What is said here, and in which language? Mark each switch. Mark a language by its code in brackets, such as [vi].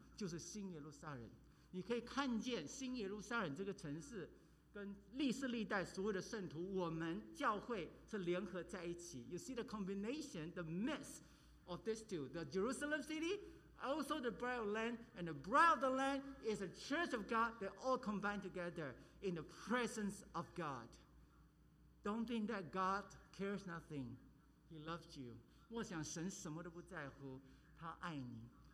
[zh] 就是新耶路撒冷，你可以看见新耶路撒冷这个城市跟历世历代所有的圣徒，我们教会是联合在一起。 [en] You see the combination, the mix of these two, the Jerusalem city, also the bride of the land, and the bride of the land is the church of God. They all combine together in the presence of God. Don't think that God cares nothing. He loves you. [zh] 我想神什么都不在乎，他爱你。